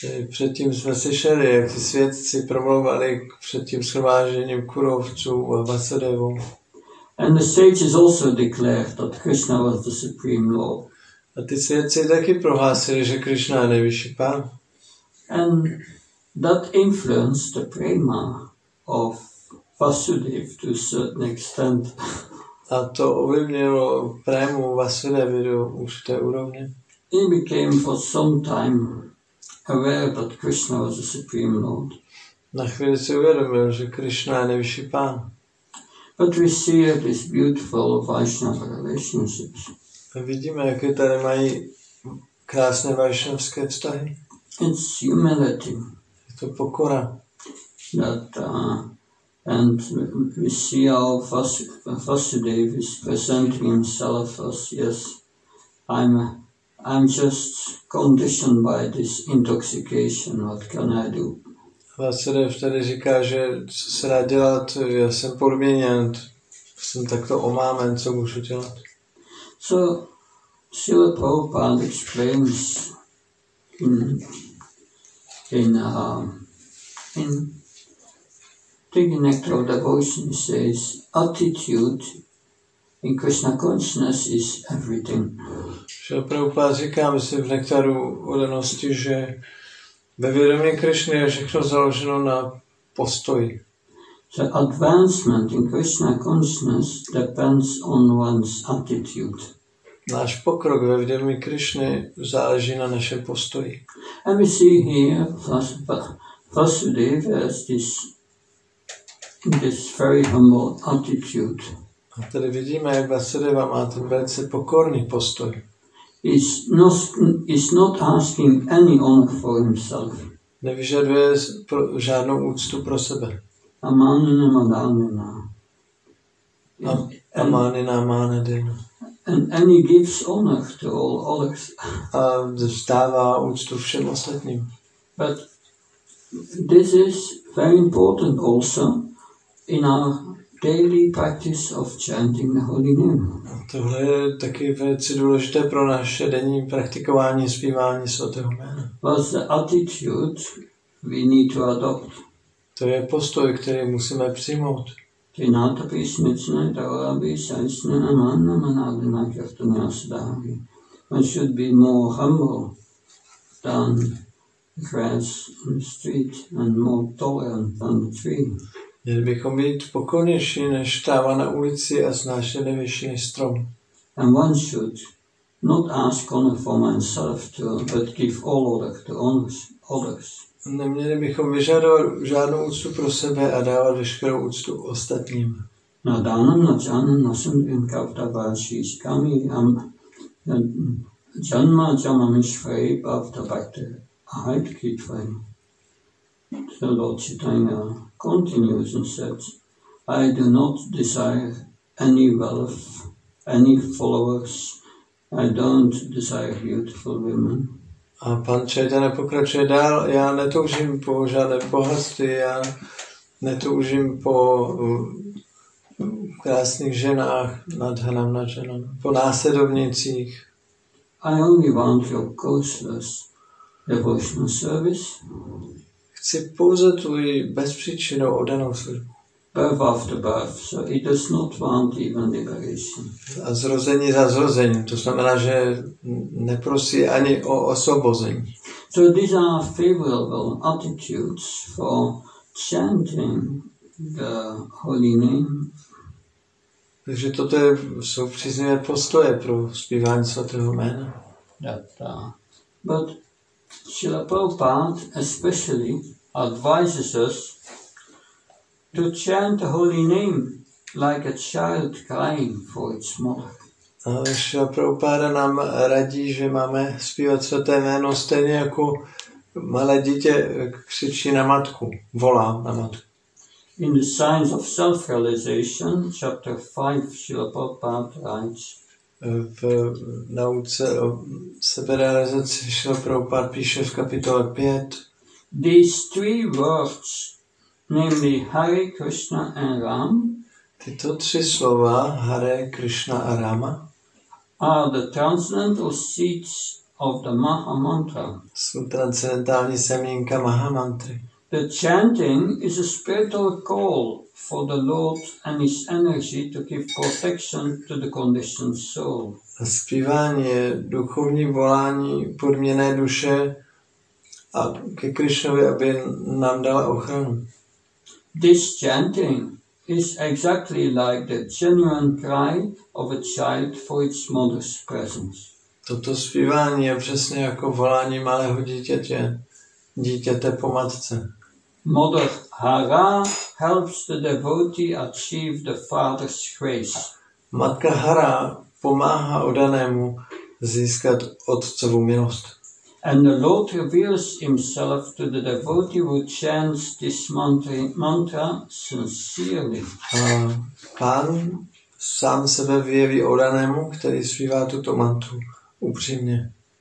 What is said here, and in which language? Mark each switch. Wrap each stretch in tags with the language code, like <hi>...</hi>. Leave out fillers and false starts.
<cs>Předtím jsme slyšeli, jak ti svědci promluvali před tím shromážením kurovců a Vasudevu.</cs> <en>And the sages also declared that Krishna was the supreme lord.</en> <cs>A ty svědci taky prohlásili, že Krishna je nejvyšší pán.</cs> <en>And that influenced the prema of Vasudev to a certain extent.</en> <cs>A to ovlivnilo prému Vasudevy do určité úrovně.</cs> <en>He became for some time aware that Krishna was the supreme lord.</en> <cs>Na chvíli si uvědomil, že Krishna je nejvyšší pán.</cs> <en>But we see these beautiful Vaishnava relationships.</en> <cs>Vidíme, jaké tady mají krásné vaishnavské vztahy.</cs> <en>It's humility.</en> <cs>Je to pokora.</cs> <en>That, and we see how Vasudev is presenting himself as, yes, I'm just conditioned by this intoxication. What can I do?</en> <cs>Vasudev tady říká, že co se dá dělat, já jsem podměněn, jsem takto omámen, co můžu dělat.</cs> <en>So, Srila Prabhupada explains in taking nectar of devotion, he says, attitude in Krishna consciousness is everything.</en> <cs>Srila Prabhupada říká, myslím, v nektaru odanosti, že ve vědomí Krishna je všechno založeno na postoji.</cs> <en>The advancement in Krishna consciousness depends on one's attitude.</en> <cs>Náš pokrok ve vědomí Krishna záleží na našem postoji.</cs> <en>And we see here Vasudev has this very humble attitude.</en> <cs>A tady vidíme, jak Vasudeva má ten velice pokorný postoj.</cs> <en>Is not asking any honor for himself.</en> <cs>Nevyžaduje žádnou úctu pro sebe.</cs> <sa>Amanina madanina. Amanina manadina.</sa> <en>And he gives honor to all others.</en> <cs>A vzdává úctu všem ostatním.</cs> <en>But this is very important also in our daily practice of chanting the holy name.</en> <cs>Tohle je taky velice důležité pro naše denní praktikování zpívání svatého jména.</cs> <en>What's the attitude we need to adopt?</en> <cs>To je postoj, který musíme přijmout. Ty náta písmy cne, to aby se jistně na manna manády na kertu nyasdávy.</cs> <en>One should be more humble than grass in the street and more tolerant than the tree.</en> <cs>Měli bychom být pokornější než štáva na ulici a snášet nejvyšší strom.</cs> <en>And one should not ask honor for myself to, but give all order to others.</en> <cs>Neměli bychom vyžadovat žádnou úctu pro sebe a dávat veškerou úctu ostatním. Na dánem na džanem na sem dvím kavta bači s kami a džanma džama mišvej bavta bakte a hajt kytvej.</cs> <en>So Lord Chaitanya continues and says, I do not desire any wealth, any followers. I don't desire beautiful women.</en> <cs>A pan Čajtane pokračuje dál, já netoužím po žádné bohatství, já netoužím po krásných ženách, nadhanam nad ženami, po následovnicích.</cs> <en>I only want your causeless devotional service.</en> <cs>Chci pouze tvoji bezpříčinou oddanou službu.</cs> <en>Birth after birth, so he does not want even liberation.</en> <cs>A zrození za zrození, to znamená, že neprosí ani o osvobození.</cs> <en>So these are favorable attitudes for chanting the holy name.</en> <cs>Takže toto je, jsou příznivé postoje pro zpívání svatého jména.</cs> <en>But Srila Prabhupada especially advises us to chant the holy name like a child crying for its mother.</en> <cs>Srila Prabhupada nám radí, že máme zpívat svaté jméno stejně jako malé dítě křičí na matku, volá na matku.</cs> <en>In the signs of self-realization, chapter 5, Srila Prabhupada writes,</en> <cs>v nauce o seberealizaci Srila Prabhupada píše v kapitole 5,</cs> <en>these three words, namely Hare Krishna and Ram,</en> <cs>tyto tři slova, Hare Krishna a Rama,</cs> <en>are the transcendental seeds of the Maha Mantra.</en> <cs>Jsou transcendentální semínka Maha Mantry.</cs> <en>The chanting is a spiritual call for the Lord and his energy to give protection to the conditioned soul.</en> <cs>A zpívání je duchovní volání podměné duše a ke Krišnovi, aby nám dala ochranu.</cs> <en>This chanting is exactly like the genuine cry of a child for its mother's presence.</en> <cs>Toto zpívání je přesně jako volání malého dítěte, dítěte po matce.</cs> <en>Mother Hara helps the devotee achieve the father's grace.</en> <cs>Matka Hara pomáhá oddanému získat otcovu milost.</cs> <en>And the Lord reveals himself to the devotee who chants this mantra sincerely.</en> <cs>Pán sám sebe vyjeví oddanému, který zpívá tuto mantru upřímně.</cs>